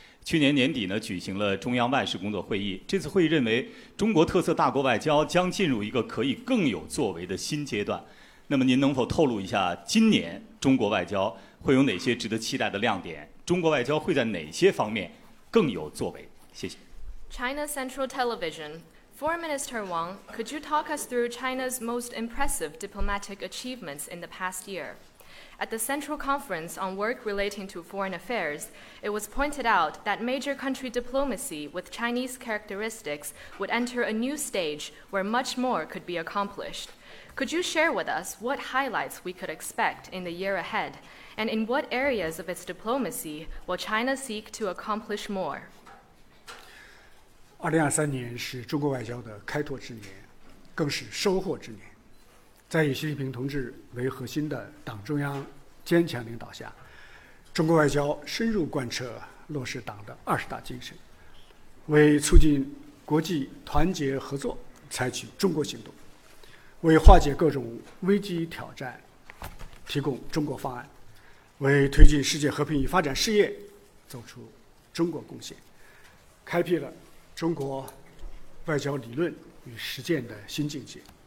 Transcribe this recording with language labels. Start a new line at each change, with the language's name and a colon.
Chinese: 去年年底呢，举行了中央外事工作会议，这次会议认为中国特色大国外交将进入一个可以更有作为的新阶段。那么您能否透露一下，今年中国外交会有哪些值得期待的亮点？中国外交会在哪些方面更有作为？谢谢。
English: China Central Television, Foreign Minister Wang, could you talk us through China's most impressive diplomatic achievements in the past year? At the Central Conference on Work Relating to Foreign Affairs, it was pointed out that major country diplomacy with Chinese characteristics would enter a new stage where much more could be accomplished. Could you share with us what highlights we could expect in the year ahead, and in what areas of its diplomacy will China seek to accomplish more?
Chinese: 2023年是中国外交的开拓之年，更是收获之年。在以习近平同志为核心的党中央坚强领导下，中国外交深入贯彻落实党的二十大精神，为促进国际团结合作采取中国行动，为化解各种危机挑战提供中国方案，为推进世界和平与发展事业做出中国贡献，开辟了中国外交理论与实践的新境界。